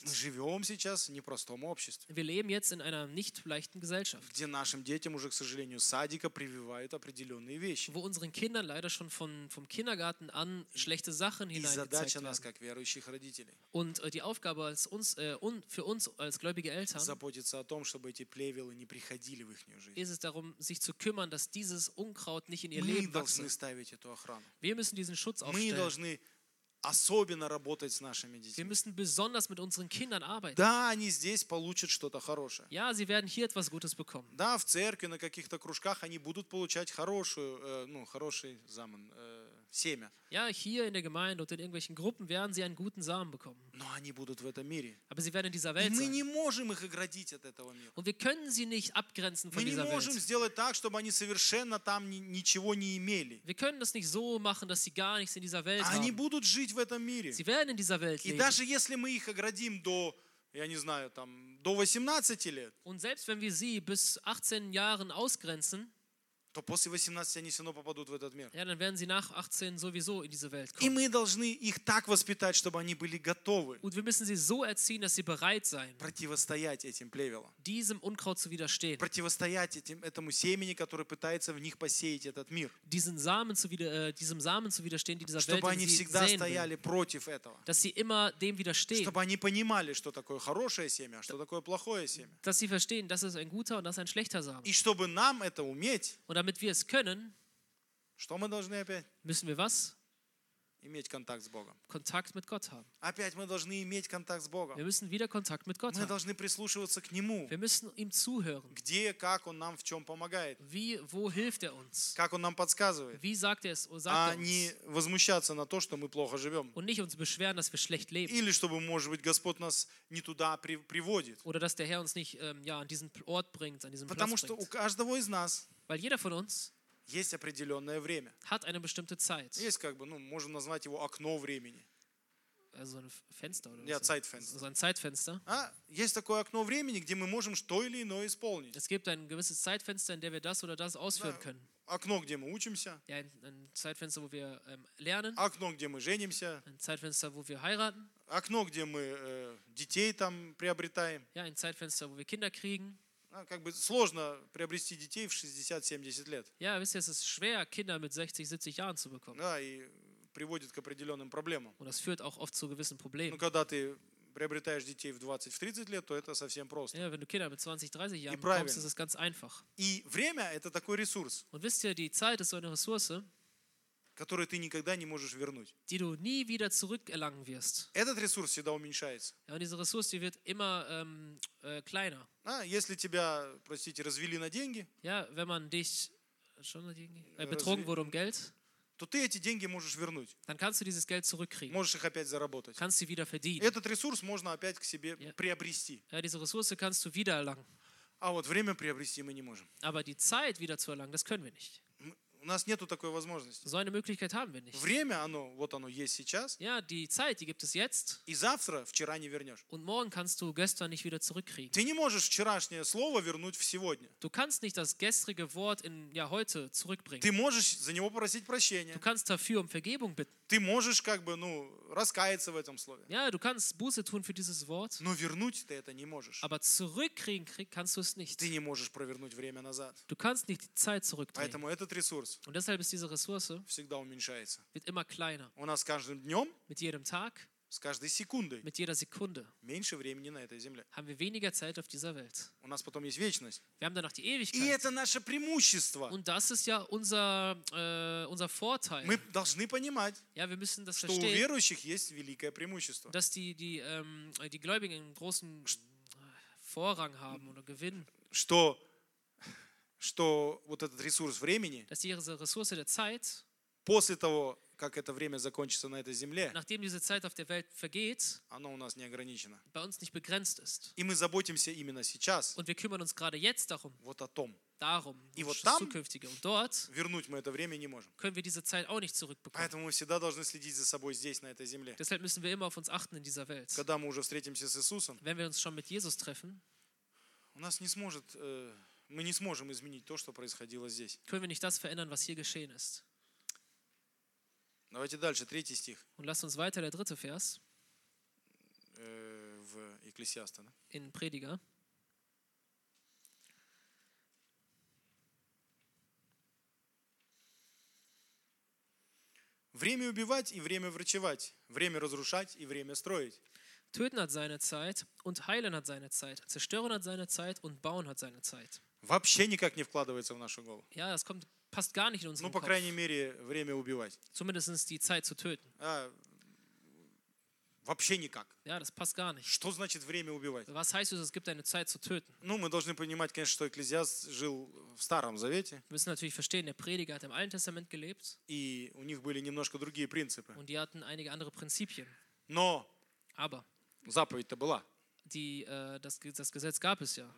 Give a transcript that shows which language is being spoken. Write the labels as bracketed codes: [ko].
[ru] Мы живем сейчас в непростом обществе. [de] Wir leben jetzt in einer nicht leichten Gesellschaft. [ru] Где нашим детям уже, к сожалению, садика прививают определенные вещи. [de] Wo unseren Kindern leider schon vom Kindergarten an schлechte Sachen hineingezeigt werden. [ru] И задача нас как верующих родителей. [de] Und die Aufgabe als uns für uns als gläubige Eltern. [ru] Заботиться о том, чтобы эти плевелы не приходили в их жизнь. [de] Ist es darum, sich zu kümmern, dass dieses Unkraut nicht in ihr Leben wächst. [ru] Мы должны ставить эту охрану. [de] Wir müssen diesen Schutz aufstellen. [ru] Мы должны особенно работать с нашими детьми. [de] Wir müssen besonders mit unseren Kindern arbeiten. [ru] Да, они здесь получат что-то хорошее. [de] Ja, sie werden hier etwas Gutes bekommen. [ru] Да, в церкви, на каких-то кружках они будут получать хорошую, ну, хороший Samen, семя. [de] Ja, hier in der Gemeinde und in irgendwelchen Gruppen werden sie einen guten Samen bekommen. [ru] Но они будут в этом мире. [de] Aber sie werden in dieser Welt [ru] мы [de] sein. [ru] Не можем их оградить от этого мира. [de] Und wir können sie nicht abgrenzen von [ru] мы [de] dieser Welt. [ru] Мы не можем сделать так, чтобы они совершенно там ничего не имели. [de] Wir können das nicht so machen, dass sie gar nichts in dieser Welt [ru] они [de] haben. [ru] Они будут жить в этом мире. [de] Sie werden in dieser Welt leben. [ru] И даже если мы их оградим до, я не знаю, там, до 18 лет. [de] Und selbst wenn wir sie bis 18 Jahren ausgrenzen, [ru] то после 18 они все равно попадут в этот мир. [de] Ja, dann werden sie nach 18 sowieso in diese Welt kommen. [ru] И мы должны их так воспитать, чтобы они были готовы. [de] Und wir müssen sie so erziehen, dass sie bereit sein. [ru] Противостоять этим плевелам. [de] Diesem Unkraut zu widerstehen. [ru] Противостоять этому семени, который пытается в них посеять этот мир. [de] Diesem Samen zu widerstehen, die dieser [ru] чтобы [de] Welt [ru] они всегда стояли [de] will. [ru] Против этого. [de] Dass sie immer dem widerstehen. [ru] Чтобы они понимали, что такое хорошее семя, что такое плохое семя. [de] Dass sie verstehen, das ist ein guter und das ist ein schlechter Samen. [ru] И чтобы нам это уметь. [de] Und damit wir es können, [ru] что мы должны опять? [de] Müssen wir was? [ru] Иметь контакт с Богом. [de] Контакт mit Gott haben. [ru] Опять мы должны иметь контакт с Богом. [de] Wir müssen wieder Kontakt mit Gott [ru] мы [de] haben. [ru] Должны прислушиваться к Нему. [de] Wir müssen ihm zuhören. [ru] Где, как Он нам в чем помогает. [de] Wie, wo hilft er uns? [ru] Как Он нам подсказывает. [de] Wie sagt er es, sagt [ru] а [de] er [ru] не [de] uns. [ru] Возмущаться на то, что мы плохо живем. [de] Und nicht uns beschweren, dass wir schlecht leben. [ru] Или чтобы, может быть, Господь нас не туда приводит. [de] Oder dass der Herr uns nicht ja, an diesen Ort bringt, an diesen Platz [ru] потому [de] bringt. [ru] Что у каждого из нас [de] Weil jeder von uns [ru] есть определенное время. [de] Hat eine bestimmte Zeit. [ru] Есть как бы, ну, можно назвать его окно времени. [de] Also ein Fenster oder ja, so. Zeitfenster. So ein Zeitfenster. [ru] А, есть такое окно времени, где мы можем что или иное исполнить. [de] Es gibt ein gewisses Zeitfenster, in dem wir das oder das ausführen ja, können. [ru] Окно, где мы учимся. [de] Ja, ein Zeitfenster, wo wir lernen. [ru] Окно, где мы женимся. [de] Ein Zeitfenster, wo wir heiraten. [ru] Окно, где мы детей там приобретаем. [de] Ja, ein Zeitfenster, wo wir Kinder kriegen. [ru] Как бы сложно приобрести детей в 60-70 лет. [de] Ja, wisst ihr, es ist schwer, Kinder mit 60-70 Jahren zu bekommen. [ru] Да, и приводит к определенным проблемам. [de] Und das führt auch oft zu gewissen Problemen. [ru] Но когда ты приобретаешь детей в 20-30 лет, то это совсем просто. [de] Ja, wenn du Kinder mit 20-30 Jahren bekommst, ist es ganz einfach. [ru] И время – это такой ресурс. [de] Und wisst ihr, die Zeit ist so eine Ressource, [ru] который ты никогда не можешь вернуть. [de] Die du nie wieder zurückerlangen wirst. [ru] Этот ресурс всегда уменьшается. [de] Ja, und diese Ressource wird immer kleiner. [ru] А, если тебя, простите, развели на деньги, [de] ja, wenn man dich schon [ru] на деньги, [de] betrogen wurde um Geld, [ru] то ты эти деньги можешь вернуть. [de] Dann kannst du dieses Geld zurückkriegen. [ru] Можешь их опять заработать. [de] Kannst sie wieder verdienen. [ru] Этот ресурс можно опять к себе ja. Приобрести. [de] Ja, diese Ressource kannst du wiedererlangen. [ru] А вот время приобрести мы не можем. [de] Aber die Zeit wieder zu erlangen, das können wir nicht. [ru] У нас нету такой возможности. [de] So eine Möglichkeit haben wir nicht. [ru] Время, оно, вот оно есть сейчас. [de] Ja, die Zeit, die gibt es jetzt. [ru] И завтра, вчера не вернешь. [de] Und morgen kannst du gestern nicht wieder zurückkriegen. [ru] Ты не можешь вчерашнее слово вернуть в сегодня. [de] Du kannst nicht das gestrige Wort in, ja, heute zurückbringen. [ru] Ты можешь за него попросить прощения. [de] Du kannst dafür um Vergebung bitten. [ru] Ты можешь как бы, ну, раскаяться в этом слове. [de] Ja, du kannst Buße tun für dieses Wort. [ru] Но вернуть ты это не можешь. [de] Aber zurückkriegen kannst du es nicht. [ru] Ты не можешь провернуть время назад. [de] Du kannst nicht die Zeit zurückdrehen. [ru] Поэтому этот ресурс. [de] Und deshalb ist diese Ressource [ru] всегда уменьшается. [de] Wird immer kleiner. [ru] У нас каждым днем, [de] mit jedem Tag, [ru] с каждой секундой, [de] mit jeder Sekunde, [ru] меньше времени на этой земле. [de] Haben wir weniger Zeit auf dieser Welt. [ru] У нас потом есть вечность. [de] Wir haben danach die Ewigkeit. [ru] И это наше преимущество. [de] Und das ist ja unser, unser Vorteil. [ru] Мы должны понимать, [de] ja, wir müssen das [ru] что [de] verstehen, [ru] у верующих есть великое преимущество. [de] Dass die, die, die Gläubigen einen großen Vorrang haben oder gewinnen. [ru] Что вот этот ресурс времени [de] Zeit, [ru] после того, как это время закончится на этой земле, [de] diese Zeit auf der Welt vergeht, [ru] оно у нас не ограничено. [de] Bei uns nicht begrenzt ist. [ru] И мы заботимся именно сейчас [de] und wir kümmern uns gerade jetzt darum, [ru] вот о том. [de] Darum, [ru] и вот там [de] zukünftige. Und dort, [ru] вернуть мы это время не можем. [de] Können wir diese Zeit auch nicht zurückbekommen. [ru] Поэтому мы всегда должны следить за собой здесь, на этой земле. [de] Deshalb müssen wir immer auf uns achten in dieser Welt. [ru] Когда мы уже встретимся с Иисусом, [de] wenn wir uns schon mit Jesus treffen, [ru] у нас не сможет... Мы не сможем изменить то, что происходило здесь. [de] Können wir nicht das verändern, was hier geschehen ist. [ru] Давайте дальше, третий стих. [de] Und lasst uns weiter, der dritte Vers. [ru] В Екклесиаста, да? [de] In Prediger. [ru] Время убивать и время врачевать, время разрушать и время строить. [de] Töten hat seine Zeit und heilen hat seine Zeit, zerstören hat seine Zeit und bauen hat seine Zeit. [ru] Вообще никак не вкладывается в нашу голову. [de] Ja, das kommt, passt gar nicht in unseren Kopf. [ru] Ну, по крайней мере, время убивать. [de] Zumindest die Zeit zu töten. [ru] А, вообще никак. [de] Ja, das passt gar nicht. [ru] Что значит время убивать? [de] Was heißt es, es gibt eine Zeit zu töten? [ru] Ну, мы должны понимать, конечно, что Экклезиаст жил в Старом Завете. [de] Wir müssen natürlich verstehen, der Prediger hat im Alten Testament gelebt. [ru] И у них были немножко другие принципы. [de] Und die hatten einige andere Prinzipien. [ru] Но [de] aber [ru] заповедь-то была. [de] Die, das, das Gesetz gab es ja.